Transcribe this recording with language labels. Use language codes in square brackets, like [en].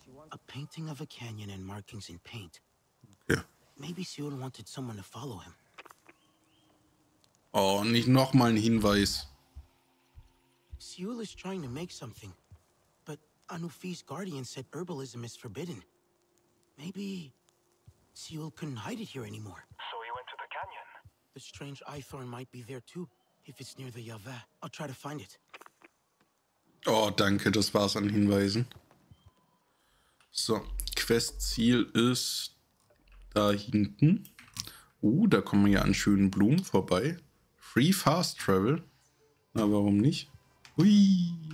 [en] A painting of a canyon and markings in paint. Maybe Sion wanted someone to follow him. [de] Oh, nicht nochmal ein Hinweis. [en] Sion is trying to make something, but Anufi's guardian said herbalism is forbidden. Maybe Sion couldn't hide it here anymore. So he went to the canyon. The strange eyethorn might be there too, if it's near the Yavah. I'll try to find it. [de] Oh, danke, das war's an Hinweisen. So, Questziel ist Da hinten. Da kommen wir ja an schönen Blumen vorbei. [en] Free Fast Travel. [de] Na, warum nicht? Hui.